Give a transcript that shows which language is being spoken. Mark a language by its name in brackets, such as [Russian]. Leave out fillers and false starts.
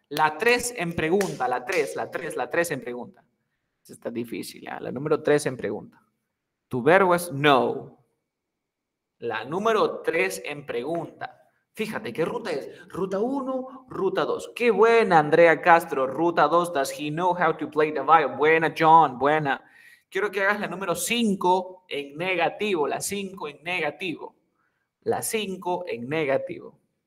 [Spanish] La 3 en pregunta. La 3, la 3, la 3 en pregunta. Esta está difícil, ¿eh? La número 3 en pregunta. Tu verbo es no. La número 3 en pregunta. Fíjate, ¿qué ruta es? ¿Ruta 1, ruta 2? ¡Qué buena, Andrea Castro! Ruta 2, [English] does he know how to play the violin? [Spanish] Buena, John, buena. Quiero que hagas la número 5 en negativo, la 5 en negativo. La 5 en negativo.